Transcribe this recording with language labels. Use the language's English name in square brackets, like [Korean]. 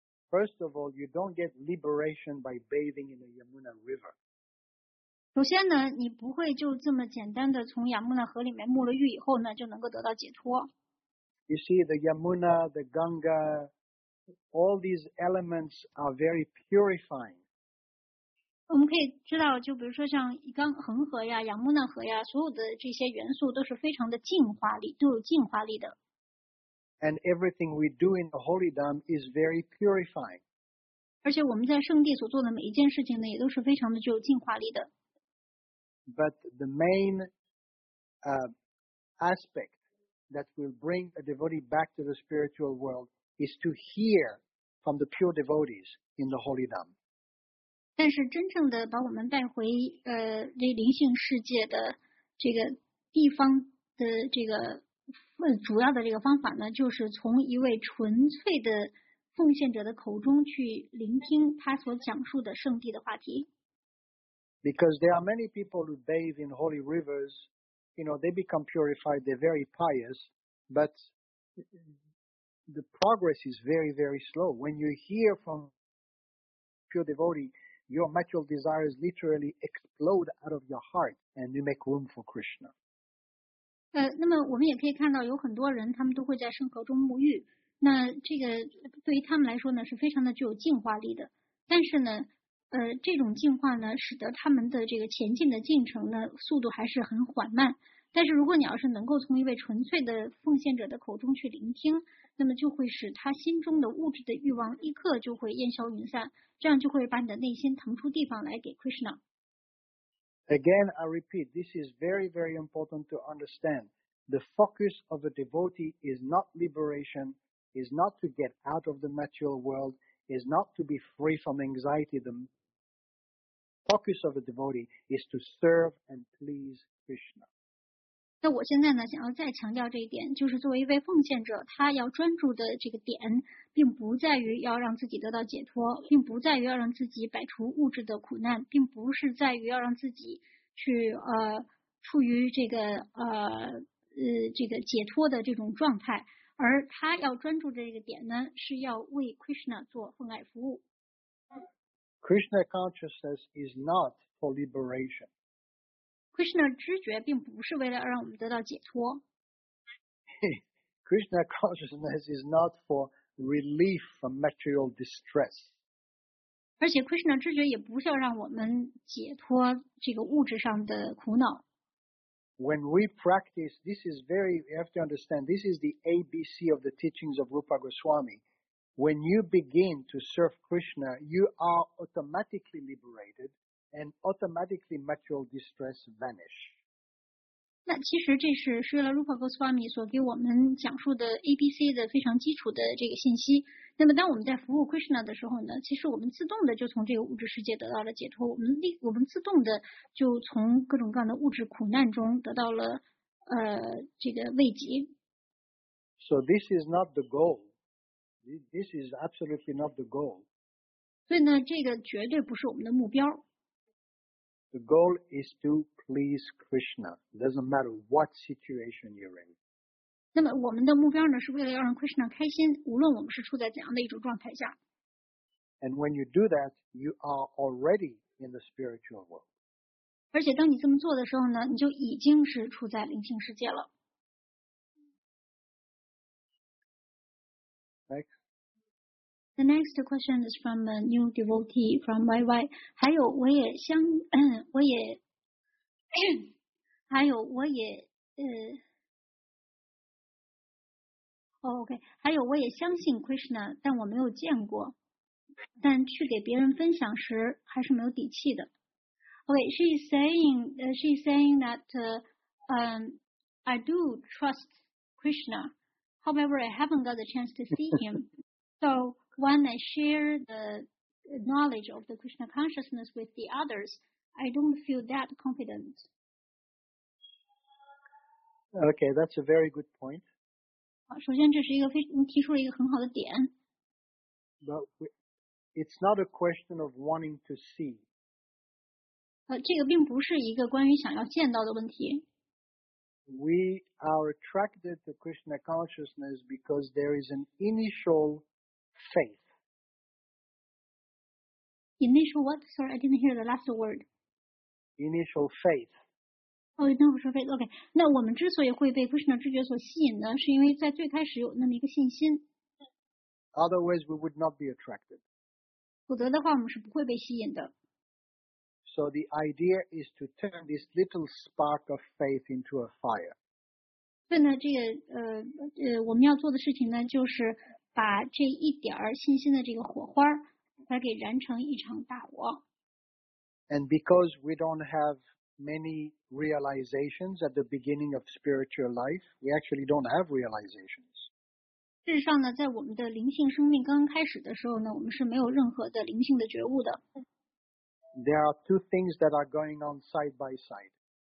[English] First of all, you don't get liberation by bathing in the Yamuna River. [Chinese] 首先呢，你不会就这么简单的从亚穆纳河里面沐了浴以后呢，就能够得到解脱。 [English] You see, the Yamuna, the Ganga, all these elements are very purifying. [Chinese] 我们可以知道，就比如说像恒河呀、亚穆纳河呀，所有的这些元素都是非常的净化力，都有净化力的。 [English] And everything we do in the holy dam is very purifying. [Chinese] 而且我们在圣地所做的每一件事情呢，也都是非常的具有净化力的。 [English] But the main aspect that will bring a devotee back to the spiritual world is to hear from the pure devotees in the holy dam. [Chinese] 但是真正的把我们带回这灵性世界的这个地方的这个主要的这个方法呢，就是从一位纯粹的奉献者的口中去聆听他所讲述的圣地的话题。 [English] Because there are many people who bathe in holy rivers, you know, they become purified, they're very pious, but the progress is very, very slow. When you hear from pure devotee, your material desires literally explode out of your heart and you make room for Krishna. [Chinese] 那么我们也可以看到有很多人他们都会在圣河中沐浴，那这个对于他们来说呢是非常的具有净化力的，但是呢这种净化呢使得他们的这个前进的进程呢速度还是很缓慢，但是如果你要是能够从一位纯粹的奉献者的口中去聆听，那么就会使他心中的物质的欲望一刻就会烟消云散，这样就会把你的内心腾出地方来给 Krishna。 [English] Again, I repeat, this is very, very important to understand. The focus of a devotee is not liberation, is not to get out of the material world, is not to be free from anxiety. The focus of a devotee is to serve and please Krishna. [Chinese] 那我现在呢，想要再强调这一点，就是作为一位奉献者，他要专注的这个点，并不在于要让自己得到解脱，并不在于要让自己摆除物质的苦难，并不是在于要让自己去处于这个解脱的这种状态，而他要专注的这个点呢，是要为 Krishna 做奉爱服务。 [English] Krishna consciousness is not for liberation. [Chinese] Krishna 知觉并不是为了让我们得到解脱。 [English] Krishna consciousness is not for relief from material distress. [Chinese] 而且 Krishna 知觉也不是要让我们解脱这个物质上的苦恼。 [English] When we practice, this is very, you have to understand, this is the ABC of the teachings of Rupa Goswami. When you begin to serve Krishna, you are automatically liberated. And automatically material distress vanish. [Chinese] 那其实这是释迦牟尼佛所给我们讲述的 ABC 的非常基础的这个信息。那么当我们在服务 Krishna 的时候呢，其实我们自动的就从这个物质世界得到了解脱，我们自动的就从各种各样的物质苦难中得到了这个慰藉。 [English] So this is not the goal. This is absolutely not the goal. [Chinese] 所以呢，这个绝对不是我们的目标。 [English] The goal is to please Krishna. It doesn't matter what situation you're in. [Chinese] 那么我们的目标呢，是为了要让 Krishna 开心，无论我们是处在怎样的一种状态下。 [English] And when you do that, you are already in the spiritual world. [Chinese] 而且当你这么做的时候呢，你就已经是处在灵性世界了。 [English] The next question is from a new devotee from YY. [Chinese] 还有我也相我也还有我也OK, 还有我也相信 Krishna, 但我没有见过。但去给别人分享时还是没有底气的。 [English] OK, she is saying that, I do trust Krishna. However, I haven't got the chance to see him. So,When I share the knowledge of the Krishna consciousness with the others, I don't feel that confident. Okay, that's a very good point. [Chinese] 首先这是一个非你提出了一个很好的点。 [English] But it's not a question of wanting to see. [Chinese] 这个并不是一个关于想要见到的问题。 [English] We are attracted to Krishna consciousness because there is an initial... Faith. Initial what? Sorry, I didn't hear the last word. Initial faith. Oh, initial faith. Okay. [Chinese] 那我们之所以会被 Krishna 知觉所吸引呢，是因为在最开始有那么一个信心。 [English] Otherwise, we would not be attracted. [Chinese] 否则的话，我们是不会被吸引的。 [English] So the idea is to turn this little spark of faith into a fire. [Chinese] 所以呢，这个我们要做的事情呢，就是把这一点儿信心的这个火花，把它给燃成一场大火。 [English] And because we don't have many realizations at the beginning of spiritual life, we actually don't have realizations. [Chinese] 事实上呢，在我们的灵性生命刚刚开始的时候呢，我们是没有任何的灵性的觉悟的。 [English] There are two things that are going on side by side.